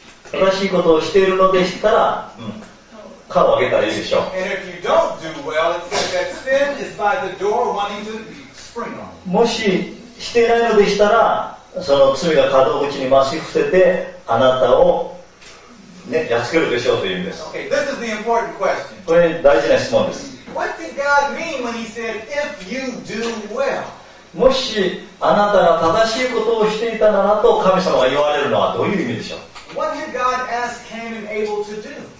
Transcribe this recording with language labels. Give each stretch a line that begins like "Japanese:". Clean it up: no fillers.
Japanese: 正しいことをしているのでしたら、顔を上げたらいいでしょう。
English: And if you don't do well, it says that sin is by the door wanting to be.
Japanese: もししていないのでしたらその罪が門口に増し伏せてあなたを、ね、やっつけるでしょうというんです。
English: okay, this is the important question.
Japanese: これ大事な質問です。
English: What did God mean when he said, if you do well?
Japanese: もしあなたが正しいことをしていたならと神様が言われるのはどういう意味でしょう。
English: What did God ask Cain and Abel to do?